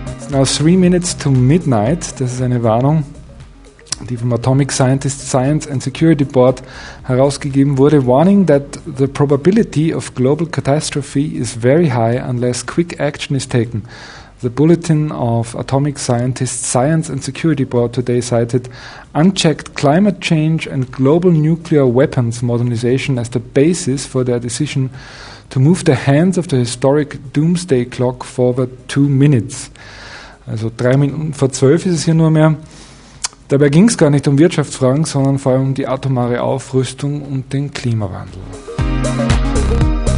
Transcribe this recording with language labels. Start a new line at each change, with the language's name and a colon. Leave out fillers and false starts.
English: Now 3 minutes to midnight,
German: das ist eine Warnung, die vom Atomic Scientist Science and Security Board herausgegeben wurde.
English: Warning that the probability of global catastrophe is very high unless quick action is taken. The Bulletin of Atomic Scientist Science and Security Board today cited unchecked climate change and global nuclear weapons modernization as the basis for their decision to move the hands of the historic doomsday clock forward 2 minutes.
German: Also 3 Minuten vor 12 ist es hier nur mehr. Dabei ging es gar nicht um Wirtschaftsfragen, sondern vor allem um die atomare Aufrüstung und den Klimawandel. Musik.